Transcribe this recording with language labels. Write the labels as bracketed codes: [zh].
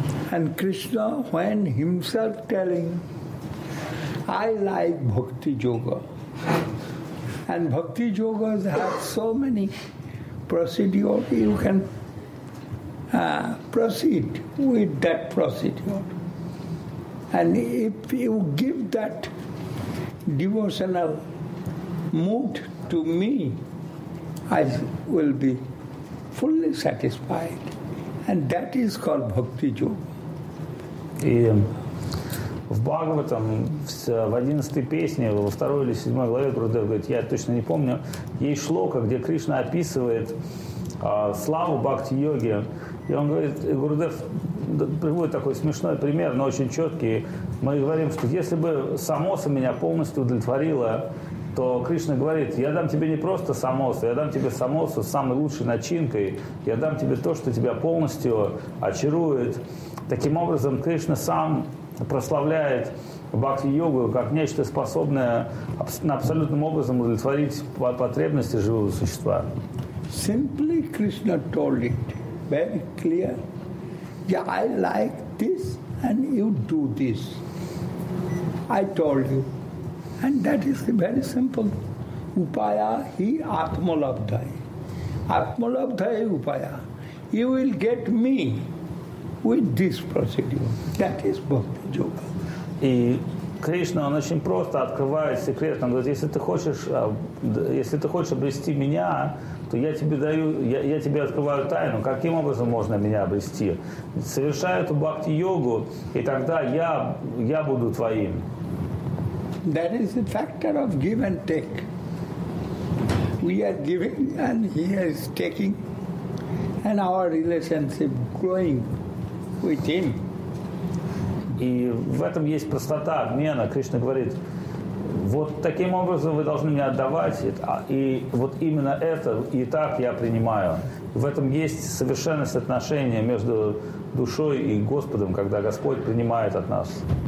[en] And Krishna, when himself telling, I like bhakti yoga, and bhakti yogas have so many procedures, you can proceed with that procedure. And if you give that devotional mood to me, I will be fully satisfied. And that is called bhakti yoga. [ru] В Бхагаватам, в 11-й песне, во 2 или 7 главе Гурудев говорит, я точно не помню, есть шлока, где Кришна описывает славу бхакти-йоги. И он говорит, Гурудев приводит такой смешной пример, но очень четкий. Мы говорим, что если бы самоса меня полностью удовлетворила, то Кришна говорит, я дам тебе не просто самосу, я дам тебе самосу с самой лучшей начинкой, я дам тебе то, что тебя полностью очарует. Таким образом, Кришна сам прославляет бхакти-йогу как нечто, способное абсолютным образом удовлетворить потребности живого существа. [en] Simply Krishna told it very clear. Yeah, I like this and you do this. I told you. And that is very simple. [sa] Upaya hi atmalabdhai. Atmalabdhai upaya. [en] You will get me with this procedure. That is bhakti yoga. [ru] И Кришна, он очень просто открывает секрет. Он говорит, если ты хочешь обрести меня, то я тебе открываю тайну. Каким образом можно меня обрести? Совершай эту бхакти-йогу, и тогда я буду твоим. [en] That is the factor of give and take. We are giving and he is taking, and our relationship growing with him. [ru] И в этом есть простота обмена. Кришна говорит, вот таким образом вы должны мне отдавать, и вот именно это и так я принимаю. В этом есть совершенность отношения между душой и Господом, когда Господь принимает от нас.